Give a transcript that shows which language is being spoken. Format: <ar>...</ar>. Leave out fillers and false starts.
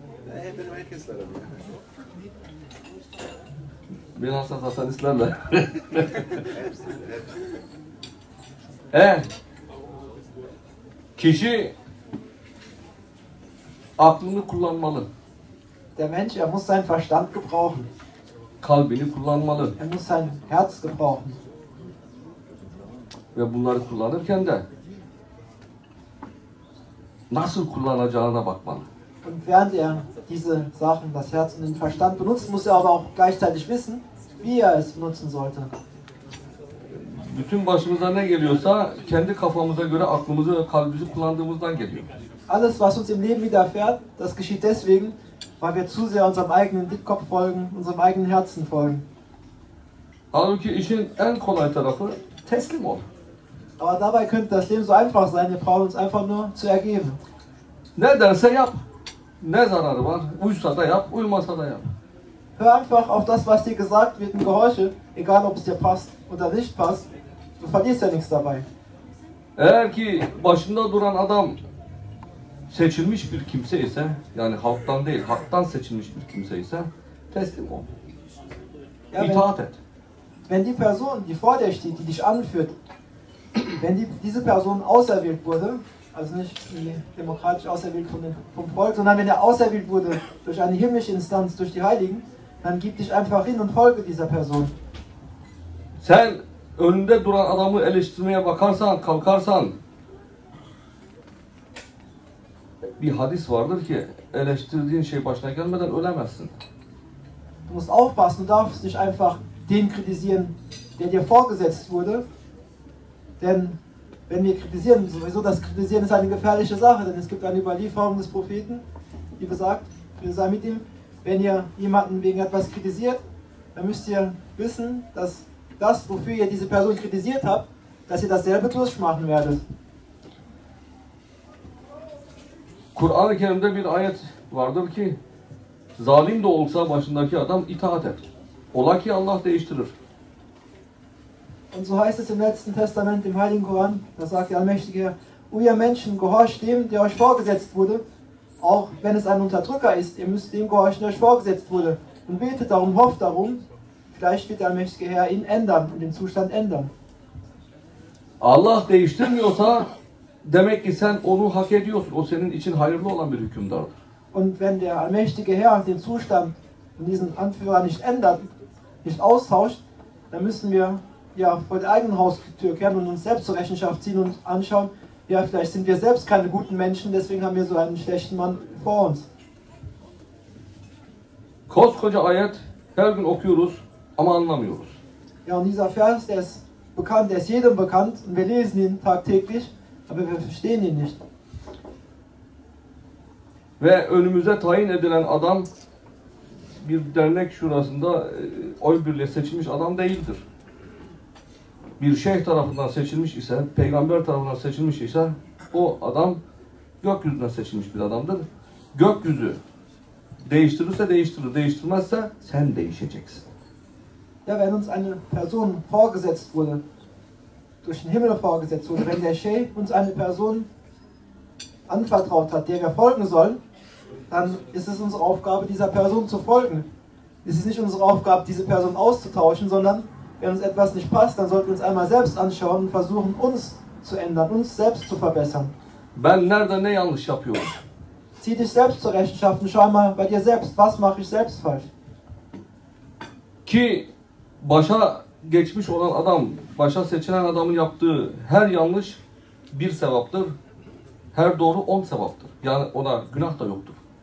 <tr>Benim herkes var abi. Bilhassa satanistlerle. Hepsi. Kişi aklını kullanmalı.</tr> <de>Der Mensch, er muss seinen Verstand gebrauchen.</de> <tr>Kalbini kullanmalı.</tr> <de>Er muss sein Herz gebrauchen.</de> <tr>Ve bunları kullanırken de nasıl kullanacağına bakmalı.</tr> <de>Und während er diese Sachen, das Herz und den Verstand benutzt, muss er aber auch gleichzeitig wissen, wie er es benutzen sollte.</de> <tr>Bütün başımıza ne geliyorsa, kendi kafamıza göre aklımızı ve kalbimizi kullandığımızdan geliyor.</tr> <de>Alles, was uns im Leben widerfährt, das geschieht deswegen, weil wir zu sehr unserem eigenen Dickkopf folgen, unserem eigenen Herzen folgen.</de> <tr>Halbuki işin en kolay tarafı teslim ol.</tr> <de>Aber dabei könnte das Leben so einfach sein, wir brauchen uns einfach nur zu ergeben.</de> <tr>Ne derse yap. Ne zararı var? Uysa da yap, uymasa da yap.</tr> <de>Hör einfach auf das, was dir gesagt wird und gehorche, egal ob es dir passt oder nicht passt, du verlierst ja nichts dabei.</de> <tr>Eğer ki başında duran adam seçilmiş bir kimse ise, yani halktan değil, haktan seçilmiş bir kimse ise, teslim ol.</tr> <de>Ja,</de> <tr>İtaat et.</tr> <de>Wenn die Person, die vor dir steht, die dich anführt, wenn diese Person auserwählt wurde, also nicht demokratisch auserwählt vom Volk, sondern wenn er auserwählt wurde durch eine himmlische Instanz, durch die Heiligen, dann gib dich einfach hin und folge dieser Person.</de> <tr>Sen önünde duran adamı eleştirmeye bakarsan, kalkarsan, bir hadis vardır ki, eleştirdiğin şey başına gelmeden ölemezsin.</tr> <de>Du musst aufpassen, du darfst nicht einfach den kritisieren, der dir vorgesetzt wurde, denn wenn wir kritisieren, sowieso das Kritisieren ist eine gefährliche Sache, denn es gibt eine Überlieferung des Propheten, die besagt, wir sagen mit ihm, wenn ihr jemanden wegen etwas kritisiert, dann müsst ihr wissen, dass das, wofür ihr diese Person kritisiert habt, dass ihr dasselbe durchmachen werdet.</de> <tr>Kur'an-ı Kerim'de bir ayet vardır ki, zalim de olsa başındaki adam itaat et. Ola ki Allah değiştirir.</tr> <de>Und so heißt es im letzten Testament, im Heiligen Koran, da sagt der Allmächtige, O ihr Menschen, gehorcht dem, der euch vorgesetzt wurde, auch wenn es ein Unterdrücker ist, ihr müsst dem gehorchen, der euch vorgesetzt wurde. Und betet darum, hofft darum, vielleicht wird der Allmächtige Herr ihn ändern und den Zustand ändern.</de> <tr>Allah değiştirmiyorsa, demek ki sen onu hak ediyorsun, o senin için hayırlı olan bir hükümdardır.</tr> <de>Und wenn der Allmächtige Herr den Zustand und diesen Anführer nicht ändert, nicht austauscht, dann müssen wir ja vor der eigenen Haustür kehren und uns selbst zur Rechenschaft ziehen und anschauen, ja, vielleicht sind wir selbst keine guten Menschen, deswegen haben wir so einen schlechten Mann vor uns.</de> <tr>Koskoca ayet, her gün okuyoruz, ama anlamıyoruz.</tr> <de>Ja, und dieser Vers, der ist bekannt, der ist jedem bekannt, und wir lesen ihn tagtäglich, aber wir verstehen ihn nicht.</de> <tr>Ve önümüze tayin edilen adam bir dernek şurasında oy birliği seçilmiş adam değildir. Bir şeyh tarafından seçilmiş ise, peygamber tarafından seçilmiş ise o adam gökyüzünden seçilmiş bir adamdır. Gökyüzü değiştirirse değiştirir, değiştirmezse sen değişeceksin.</tr> <de>Ja, wenn uns eine Person vorgesetzt wurde, durch den Himmel vorgesetzt wurde, wenn der Sheikh uns eine Person anvertraut hat, der wir folgen sollen, dann ist es unsere Aufgabe, dieser Person zu folgen. Es ist nicht unsere Aufgabe, diese Person auszutauschen, sondern wenn uns etwas nicht passt, dann sollten wir uns einmal selbst anschauen und versuchen, uns zu ändern, uns selbst zu verbessern.</de> <tr>Ben nerede ne yanlış yapıyorum?</tr> <de>Zieh dich selbst zur Rechenschaft und schau mal bei dir selbst, was mache ich selbst falsch?</de> <tr>Ki başa geçmiş olan adam, başa seçilen adamın yaptığı her yanlış bir sevaptır. Her doğru 10 sevaptır. Yani ona günah da yoktur.</tr>